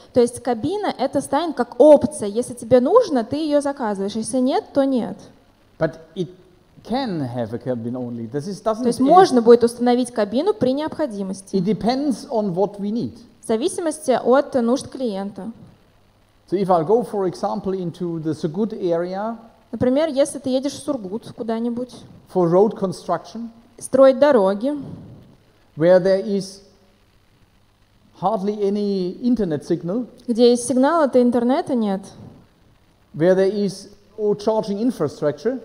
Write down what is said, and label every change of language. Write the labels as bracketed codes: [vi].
[ru] То есть кабина — это станет как опция. Если тебе нужно, ты ее заказываешь. Если нет, то нет. [en] But it can have a cabin only. This is doesn't. [ru] То есть можно будет установить кабину при необходимости. [en] It depends on what we need. [ru] В зависимости от нужд клиента. [en] So if I'll go, for example, into the Sugut area. [ru] Например, если ты едешь в Сургут куда-нибудь. [en] For road construction. [ru] Строить дороги. [en] Where there is hardly any internet signal. [ru] Где есть сигнал, а то интернета нет. [en] Where there is or charging infrastructure.